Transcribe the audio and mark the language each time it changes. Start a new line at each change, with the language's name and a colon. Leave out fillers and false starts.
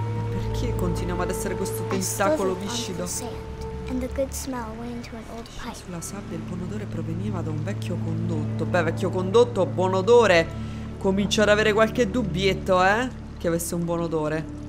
Italian: Perché continuiamo ad essere questo tentacolo viscido?
English: And the good smell went into an old pipe.
Italian: Sulla sabbia il buon odore proveniva da un vecchio condotto. Beh, vecchio condotto, buon odore. Comincio ad avere qualche dubbietto, eh? Che avesse un buon odore.